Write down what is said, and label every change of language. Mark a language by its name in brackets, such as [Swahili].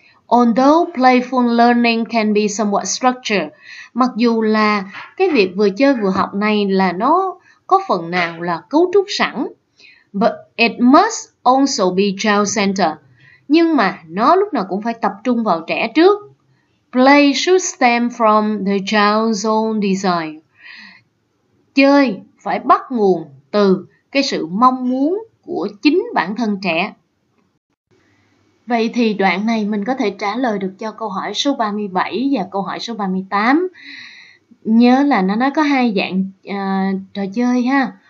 [English] Although playful learning can be somewhat structured, [Vietnamese] mặc dù là cái việc vừa chơi vừa học này là nó có phần nào là cấu trúc sẵn, [English] but it must also be child-centered, [Vietnamese] nhưng mà nó lúc nào cũng phải tập trung vào trẻ trước. [English] Play should stem from the child's own desire. [Vietnamese] Chơi phải bắt nguồn từ cái sự mong muốn của chính bản thân trẻ. Vậy thì đoạn này mình có thể trả lời được cho câu hỏi số 37 và câu hỏi số 38. Nhớ là nó nói có hai dạng trò chơi ha.